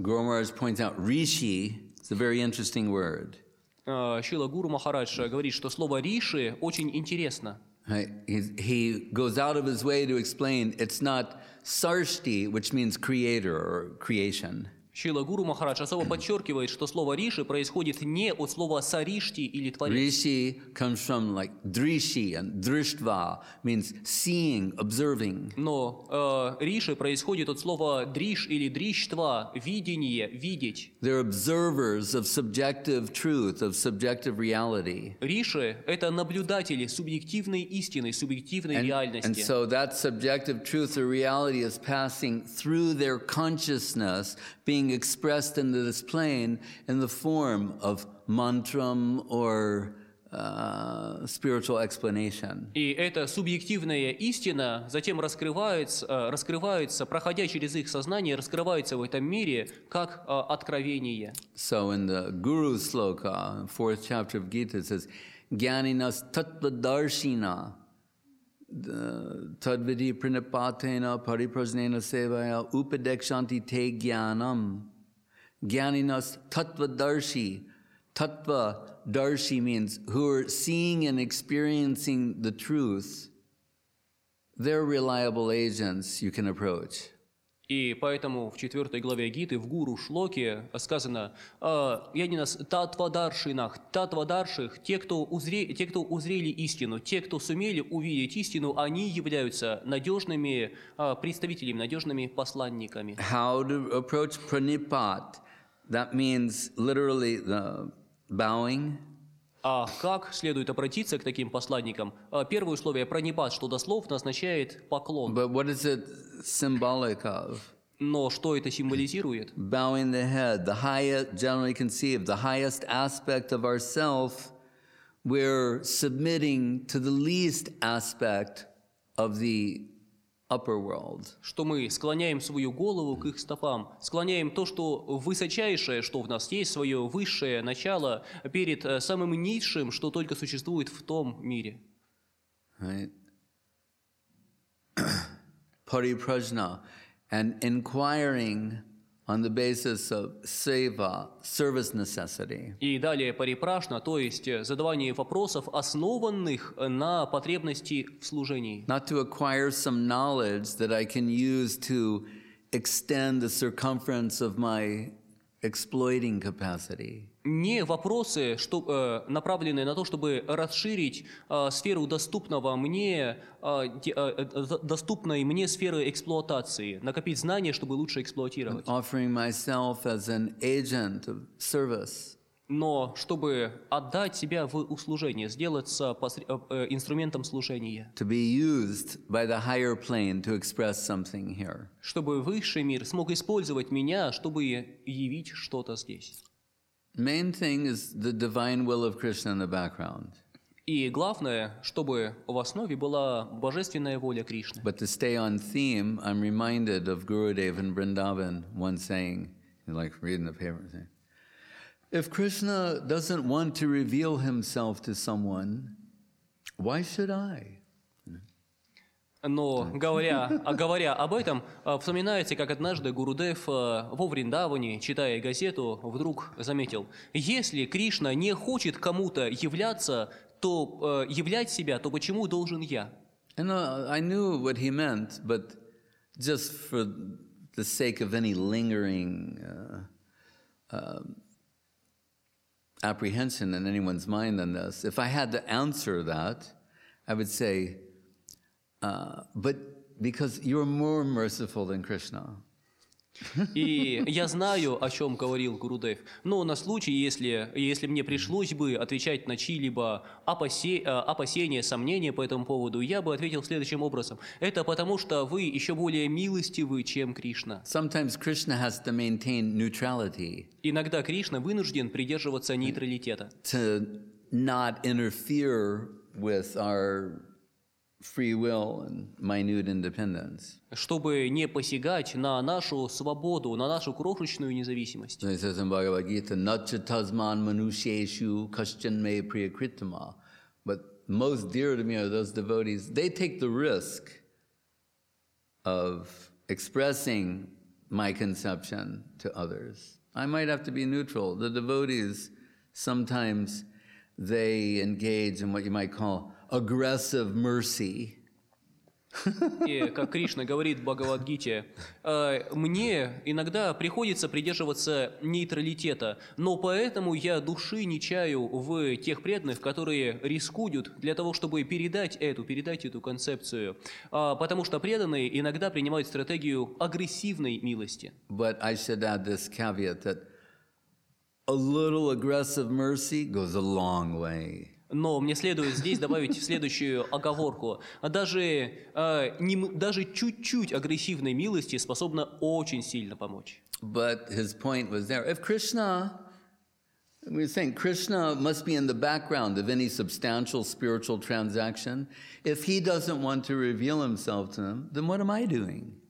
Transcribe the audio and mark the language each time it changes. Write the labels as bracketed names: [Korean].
[English] Guru Maharaj points out, Rishi is a very interesting word. [Russian] Шрила Гуру Махарадж говорит, что слово Риши очень интересно. [English] He goes out of his way to explain it's not Sarshti, which means creator or creation. [Russian] Шрила Гуру Махарадж особо подчеркивает, что слово Риши происходит не от слова Сарishti или творить. [English] Риши comes from like Drishi and Drishtva means seeing, observing. [Russian] Но Риши происходит от слова Driš или Drishtva, видение, видеть. [English] They're observers of subjective truth, of subjective reality. [Russian] Риши — это наблюдатели субъективной истины, субъективной реальности. [English] And so that subjective truth or reality is passing through their consciousness, being expressed into this plane in the form of mantram or spiritual explanation. [Russian] И эта субъективная истина затем раскрывается, проходя через их сознание, раскрывается в этом мире как откровение. [English] So in the Guru Sloka, fourth chapter of Gita, it says, [Sanskrit] "Gyaninas tatvadarshina tadvidhi pranipatena pariprajnena sevaya upadekshanti te jnanam." Gyaninas tatvadarshi. [English] Tattva darshi means who are seeing and experiencing the truth. They're reliable agents you can approach. [Russian] И поэтому в 4 главе Гиты в Гуру Шлоке сказано: [Sanskrit] «Янинас татвадаршинах, татвадарших, [Russian] те, кто узрели истину, те, кто сумели увидеть истину, они являются надежными представителями, надежными посланниками». [English] How to approach pranipat? That means literally the bowing. [Russian] А как следует обратиться к таким посланникам? Первое условие пранипат, что дословно означает поклон. [English] But what is it symbolic of? [Russian] Но что это символизирует? [English] Bowing the head, the highest, generally conceived, the highest aspect of ourself, we're submitting to the least aspect of the upper world. [Russian] Что мы склоняем свою голову к их стопам, склоняем то, что высочайшее, что в нас есть, свое высшее начало перед самым низшим, что только существует в том мире. [English] Parīprajñā, and inquiring on the basis of seva, service necessity. [Russian] И далее парипрашна, то есть задавание вопросов, основанных на потребности в служении. [English] Not to acquire some knowledge that I can use to extend the circumference of my exploiting capacity. [Russian] Не вопросы, направленные на то, чтобы расширить сферу доступной мне сферы эксплуатации, накопить знания, чтобы лучше эксплуатировать. [English] Offering myself as an agent of service. [Russian] Но чтобы отдать себя в услужение, сделаться инструментом служения. [English] To be used by the higher plane to express something here. [Russian] Чтобы высший мир смог использовать меня, чтобы явить что-то здесь. [English] Main thing is the divine will of Krishna in the background. [Russian] И главное, чтобы в основе была божественная воля Кришны. [English] But to stay on theme, I'm reminded of Gurudev in Vrindavan, one saying, like reading the paper, saying, if Krishna doesn't want to reveal himself to someone, why should I? [Russian] Но говоря об этом, вспоминается, как однажды Гурудев во Вриндаване, читая газету, вдруг заметил: если Кришна не хочет кому-то являться, то являть себя, то почему должен я? [English] And I knew what he meant, but just for the sake of any lingering apprehension in anyone's mind on this, if I had to answer that, I would say, but because you're more merciful than Krishna. [Russian] И я знаю, о чем говорил Гурудев. Но на случай, если мне пришлось бы отвечать на чьи-либо опасения, сомнения по этому поводу, я бы ответил следующим образом. Это потому, что вы еще более милостивы, чем Кришна. [English] Sometimes Krishna has to maintain neutrality. [Russian] Иногда Кришна вынужден придерживаться нейтралитета. [English] To not interfere with our free will and minute independence. [Russian] Чтобы не посягать на нашу свободу, на нашу крошечную независимость. [English] He says in Bhagavad Gita, [Sanskrit] Natcha tasman manusheshu kaschan me priyakritama. [English] But most dear to me are those devotees. They take the risk of expressing my conception to others. I might have to be neutral. The devotees, sometimes they engage in what you might call aggressive mercy. [Russian] И как Кришна говорит в Бхагавад-гите, мне иногда приходится придерживаться нейтралитета, но поэтому я души не чаю в тех преданных, которые рискуют для того, чтобы передать эту концепцию, потому что преданные иногда принимают стратегию агрессивной милости. [English] But I should add this caveat that a little aggressive mercy goes a long way. [Russian] Но мне следует здесь добавить следующую оговорку. Даже чуть-чуть агрессивной милости способна очень сильно помочь. [English] But his point was there. If Krishna, we're saying Krishna must be in the background of any substantial spiritual transaction. If he doesn't want to reveal himself to them, then what am I doing?